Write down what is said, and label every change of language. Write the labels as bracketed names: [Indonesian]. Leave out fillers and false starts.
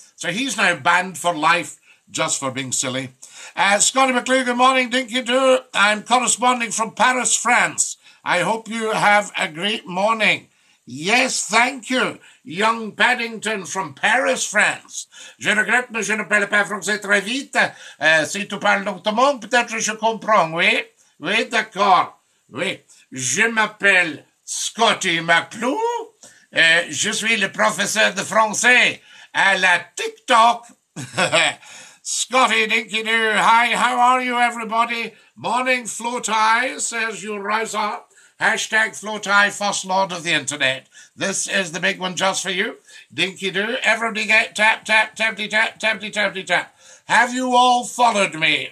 [English] So he's now banned for life just for being silly. Scotty McClue, good morning, Dinky-Doo. I'm corresponding from Paris, France. I hope you have a great morning. Yes, thank you, young Paddington from Paris, France. [French] Je regrette, mais je ne parle pas français très vite. Si tu parles lentement, peut-être je comprends, oui? Oui, d'accord. Oui, je m'appelle Scotty McClue. Je suis le professeur de français à la TikTok. [English] Scotty Dinky-Doo, hi, how are you, everybody? Morning, Floatie, says your rouser. Hashtag Floatie, first lord of the internet. This is the big one just for you, Dinky-Doo. Everybody get tap, tap, tapty, tap, tapty, tapty, tap. Have you all followed me?